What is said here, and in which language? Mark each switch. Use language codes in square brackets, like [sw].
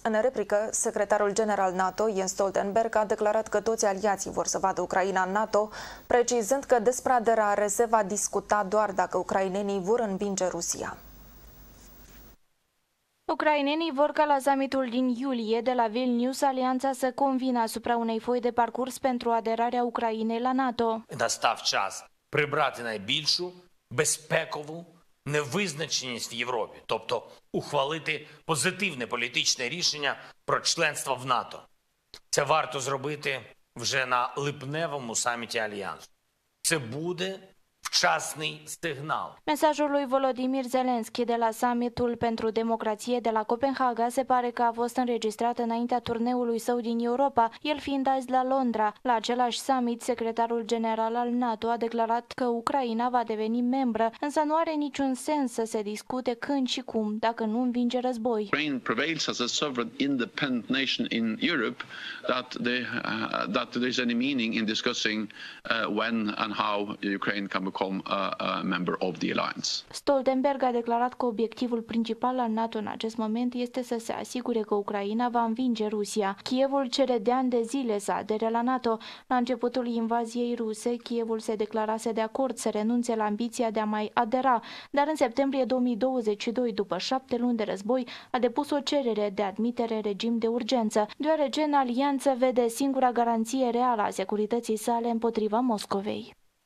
[ro] În replică, secretarul general NATO, Jens Stoltenberg, a declarat că toți aliații vor să vadă Ucraina în NATO, precizând că despre aderare se va discuta doar dacă ucrainenii vor învinge Rusia. Ucrainenii vor ca la summitul din iulie de la Vilnius alianța să convină asupra unei foi de parcurs pentru aderarea Ucrainei la NATO. [uk] Прибрати найбільшу безпекову невизначеність в Європі, тобто ухвалити позитивне політичне рішення про членство в НАТО. Це варто зробити вже на липневому саміті Альянсу. Це буде вчасний сигнал. [ro] Mesajul lui Volodymyr Zelensky de la summitul pentru democrație de la Copenhaga se pare că a fost înregistrat înaintea turneului său din Europa, el fiind azi la Londra. La același summit, secretarul general al NATO a declarat că Ucraina va deveni membră, însă nu are niciun sens să se discute când și cum, dacă nu învinge război. [en] Ukraine prevails as a sovereign independent nation in Europe, that there is any meaning in discussing when and how Ukraine can become a member of the alliance. [ro] Stoltenberg a declarat că obiectivul principal al NATO în acest moment este să se asigure că Ucraina va învinge Rusia. Kievul cere de ani de zile să adere la NATO. La începutul invaziei ruse, Kievul se declarase de acord să renunțe la ambiția de a mai adera, dar în septembrie 2022, după 7 luni de război, a depus o cerere de admitere regim de urgență, deoarece în alianță vede singura garanție reală a securității sale împotriva Moscovei.